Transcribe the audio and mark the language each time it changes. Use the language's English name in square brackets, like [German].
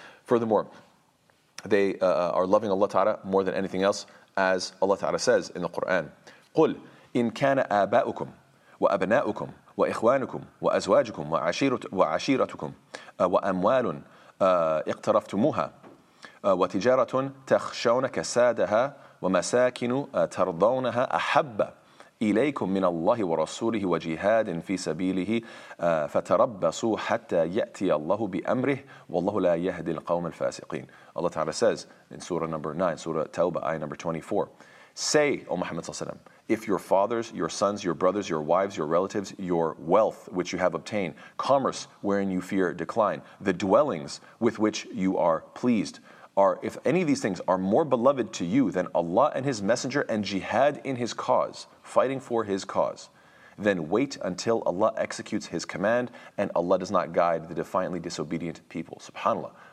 [English] Furthermore, they are loving Allah Ta'ala more than anything else, as Allah Ta'ala says in the Qur'an, [Arabic] قُلْ إِن كَانَ آبَاؤُكُمْ وَأَبْنَاؤُكُمْ وَإِخْوَانُكُمْ وَأَزْوَاجُكُمْ وَعَشِيرَتُكُمْ وَأَمْوَالٌ اقترفتموها وتجارة تخشون كسادها ومساكن ترضونها أحب إليكم من الله ورسوله وجهاد في سبيله فتربصوا حتى يأتي الله بأمره والله لا يهدي القوم الفاسقين. [English] Allah Ta'ala says in Surah number 9, Surah Tawbah, ayah number 24, say, O Muhammad sallallahu alayhi wa sallam, if your fathers, your sons, your brothers, your wives, your relatives, your wealth which you have obtained, commerce wherein you fear decline, the dwellings with which you are pleased, are, if any of these things are more beloved to you than Allah and His Messenger and jihad in His cause, fighting for His cause, then wait until Allah executes His command and Allah does not guide the defiantly disobedient people. SubhanAllah.